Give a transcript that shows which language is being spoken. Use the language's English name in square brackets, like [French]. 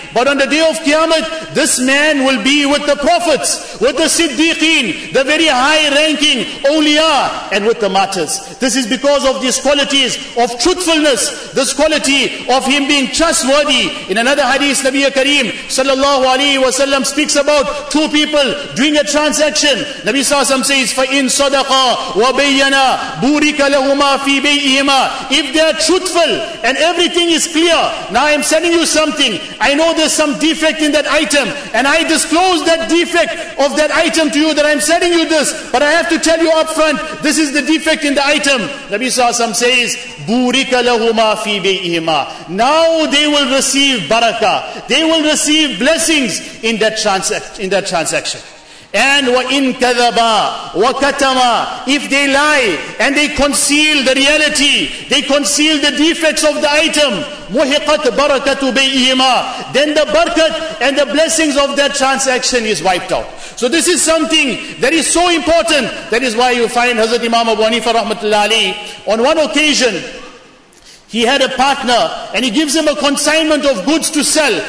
[English] But on the day of Qiyamah, this man will be with the prophets, with the siddiqeen, the very high ranking awliya, and with the martyrs. This is because of these qualities of truthfulness, this quality of him being trustworthy. In another hadith, Nabi Kareem sallallahu alayhi wa sallam speaks about 2 people doing a transaction. Nabi Sallallahu Alaihi Wasallam says, [Arabic] فَإِن صَدَقَا وَبَيَّنَا بُورِكَ لَهُمَا فِي بَيْئِهِمَا. [English] If they are truthful and everything is clear, now I'm sending you something, I know there's some defect in that item, and I disclose that defect of that item to you, that I'm sending you this, but I have to tell you up front, this is the defect in the item. Nabi Sassam says, [Arabic] بُورِكَ لَهُمَا فِي بَيْئِهِمَا. [English] Now they will receive barakah, they will receive blessings in that transaction. [Arabic] And وَإِن كَذَبَا وَكَتَمَا. [English] If they lie and they conceal the reality, they conceal the defects of the item, [Arabic] مُحِقَتْ بَرَكَةُ بَيْئِهِمَا. [English] Then the barakah and the blessings of that transaction is wiped out. So this is something that is so important. That is why you find Hazrat Imam Abu Hanifa rahmatullahi alayhi, on one occasion, he had a partner and he gives him a consignment of goods to sell.